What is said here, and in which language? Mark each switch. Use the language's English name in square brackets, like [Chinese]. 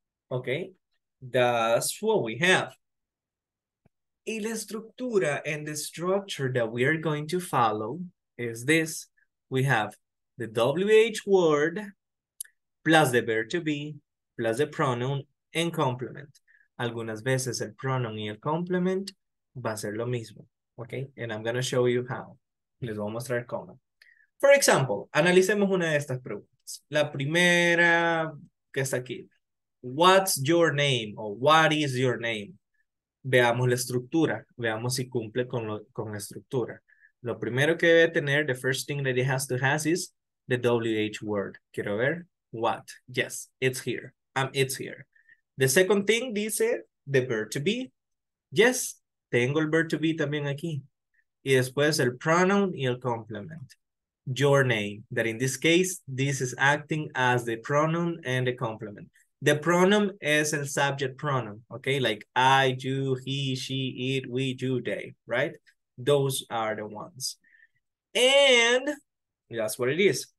[English] Okay, that's what we have. [Spanish] Y la estructura [English] and the structure that we are going to follow is this. We have the WH word plus the verb to be plus the pronoun and complement. [Spanish] Algunas veces el pronoun y el complement va a ser lo mismo. [English] Okay, and I'm going to show you how. [Spanish] Les voy a mostrar cómo. [English] For example, [Spanish] analicemos una de estas preguntas. La primera que está aquí. [English] What's your name? [Spanish] O [English] what is your name? [Spanish] Veamos la estructura. Veamos si cumple con, lo, con la estructura. Lo primero que debe tener, [English] the first thing that it has to have is the WH word. [Spanish] Quiero ver. [English] What? Yes, it's here. It's here. The second thing dice the verb to be. [Spanish] Yes, tengo el verb to be también aquí. Y después el pronoun y el complement. [English] Your name. That in this case, this is acting as the pronoun and the complement. The pronoun is el subject pronoun, okay? Like I, you, he, she, it, we, you, they, right? Those are the ones. And that's what it is.